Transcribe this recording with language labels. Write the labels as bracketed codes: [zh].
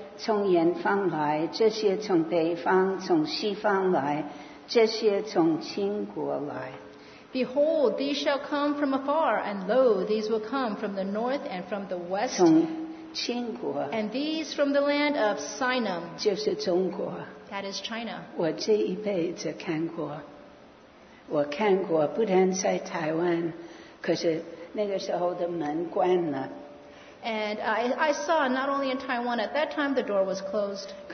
[zh] 从远方来，这些从北方，从西方来，这些从亲国来。 [en] Behold, these shall come from afar, and lo, these will come from the north and from the west. [zh] 从亲国, [en] and these from the land of Sinem. [zh] 就是中国, [en] that is China. [zh] 我这一辈子看过, 我看过不但在台湾, 可是那个时候的门关了。 [en] And I saw not only in Taiwan, at that time the door was closed.